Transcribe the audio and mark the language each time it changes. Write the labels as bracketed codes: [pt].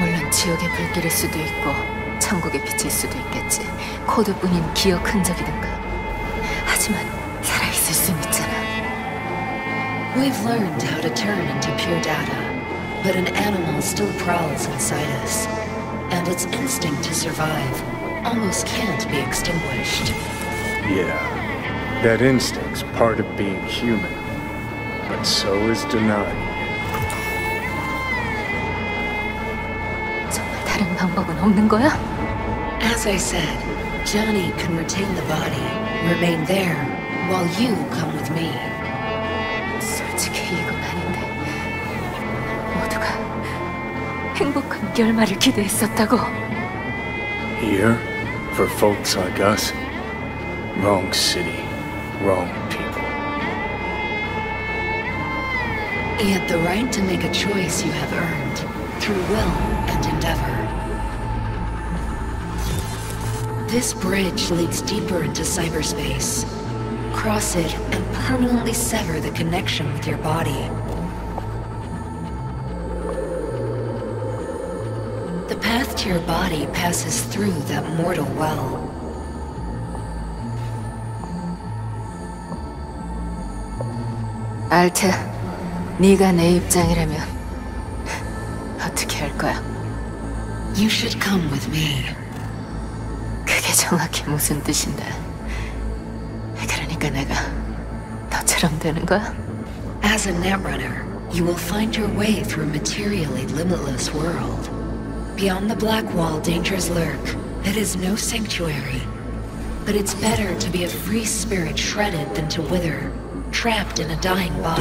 [ko] 물론 지옥의 불길일 수도 있고 천국의 빛일 수도 있겠지. 코드뿐인 기억 흔적이든가. 하지만 살아있을 수 있잖아. [en] We've learned how to turn into pure data. But an animal still prowls inside us. And its instinct to survive almost can't be extinguished. Yeah, that instinct's part of being human. But so is denying. [ko] 정말 다른 방법은 없는 거야? [en] As I said, Johnny can retain the body, remain there, while you come with me. [ko] 솔직히 이건 아닌데. 모두가 행복한 결말을 기대했었다고. [en] Here? For folks like us? Wrong city, wrong people. Yet the right to make a choice you have earned through will and endeavor. This bridge leads deeper into cyberspace. Cross it and permanently sever the connection with your body. The path to your body passes through that mortal well. [ko] Alt, 네가 내 입장이라면 어떻게 할 거야? [en] You should come with me. [ko] 그게 정확히 무슨 뜻인데? 그러니까 내가 너처럼 되는 거야? [en] As a netrunner, you will find your way through a materially limitless world. Beyond the Black Wall, dangers lurk. It is no sanctuary. But it's better to be a free spirit shredded than to wither, trapped in a dying body.